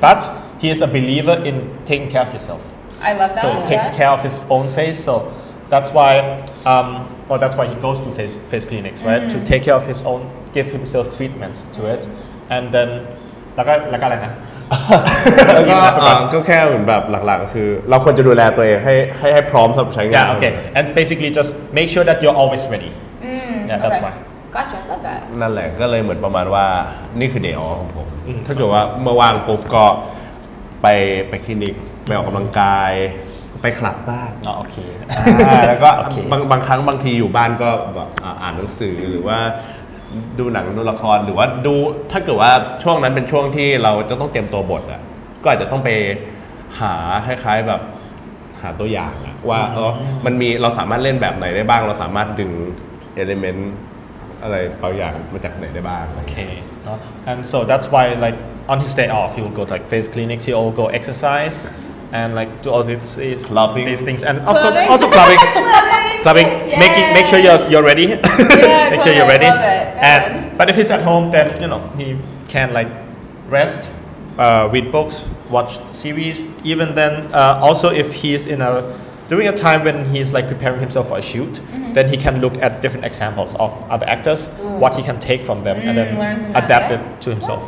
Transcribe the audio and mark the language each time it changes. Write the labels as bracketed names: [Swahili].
[English] But he is a believer in taking care of yourself. I love that. So he takes care of his own face. So that's why, that's why he goes to face clinics, right? To take care of his own, give himself treatment to it, and then like what? [Thai] ก็แค่เหมือนแบบหลักๆก็คือเราควรจะดูแลตัวเองให้พร้อมสำหรับใช้งาน [English] โอเค and basically just make sure that you're always ready. Yeah, that's why. Gotcha. [Thai] นั่นแหละก็เลยเหมือนประมาณว่านี่คือ day off ของผมถ้าเกิดว่าเมื่อวางปุ๊บก็ไปคลินิกไปออกกำลังกายไปคลับบ้าง อ๋อโอเค แล้วก็บางครั้งบางทีอยู่บ้านก็แบบอ่านหนังสือหรือว่าดูหนังดูละครหรือว่าดูถ้าเกิดว่าช่วงนั้นเป็นช่วงที่เราจะต้องเตรียมตัวบทอ่ะก็อาจจะต้องไปหาคล้ายๆแบบหาตัวอย่างว่าเออมันมีเราสามารถเล่นแบบไหนได้บ้างเราสามารถดึง elementอะไรบางอย่างมาจากไหนได้บ้าง [English] โอเคเนาะ and so that's why like on his day off he will go to, like face clinics he will go exercise and like do all these clubbing these things and of clubbing. Course also clubbing clubbing make sure you're ready yeah, make sure you're ready and but if he's at home then you know he can like rest read books watch series even then also if he's in a during a time when he's like preparing himself for a shoot then he can look at different examples of other actors, what he can take from them, and then adapt it to himself.